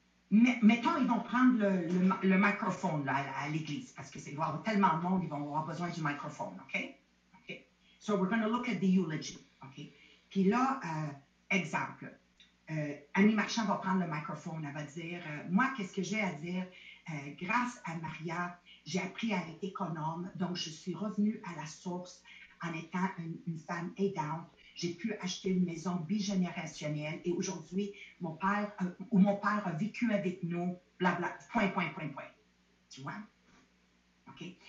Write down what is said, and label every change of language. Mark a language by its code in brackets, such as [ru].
[fr] Mettons, ils vont prendre le microphone là, à l'église, parce que c'est voir tellement de monde, ils vont avoir besoin du microphone, OK? [en] So, we're going to look at the eulogy, OK? [fr] Puis là, exemple, Annie Marchand va prendre le microphone. Elle va dire, moi, qu'est-ce que j'ai à dire? Grâce à Maria, j'ai appris à être économe. Donc, je suis revenue à la source en étant une femme aidante. J'ai pu acheter une maison bigénérationnelle. Et aujourd'hui, mon père a vécu avec nous, blablabla, point. Tu vois? OK?